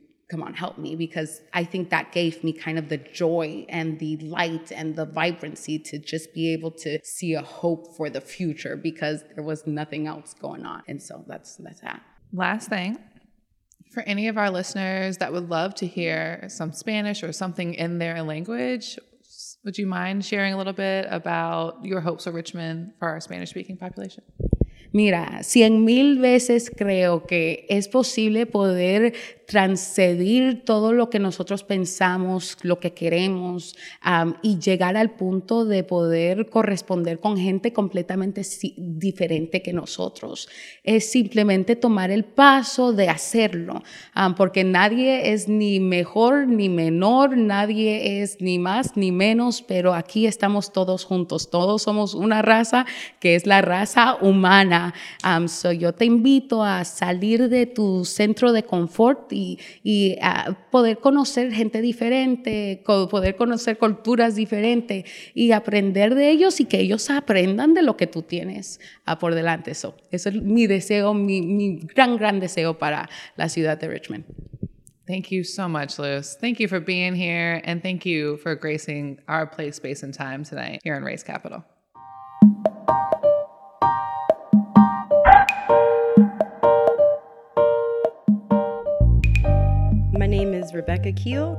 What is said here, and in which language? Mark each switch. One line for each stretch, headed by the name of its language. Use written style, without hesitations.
English: come on, help me, because I think that gave me kind of the joy and the light and the vibrancy to just be able to see a hope for the future because there was nothing else going on. And so that's that. Last thing, for any of our listeners that would love to hear some Spanish or something in their language, would you mind sharing a little bit about your hopes for Richmond for our Spanish-speaking population?
Spanish: Mira, 100,000 veces creo que es posible poder transcedir todo lo que nosotros pensamos, lo que queremos, y llegar al punto de poder corresponder con gente completamente diferente que nosotros. Es simplemente tomar el paso de hacerlo, porque nadie es ni mejor ni menor, nadie es ni más ni menos, pero aquí estamos todos juntos, todos somos una raza que es la raza humana. So yo te invito a salir de tu centro de confort y poder conocer gente diferente, poder conocer culturas diferentes y aprender de ellos y que ellos aprendan de lo que tú tienes por delante. So, eso es mi deseo, mi gran, gran deseo para la ciudad de Richmond.
English: Thank you so much, Luz. Thank you for being here and thank you for gracing our place, space, and time tonight here in Race Capital. Rebecca Keel.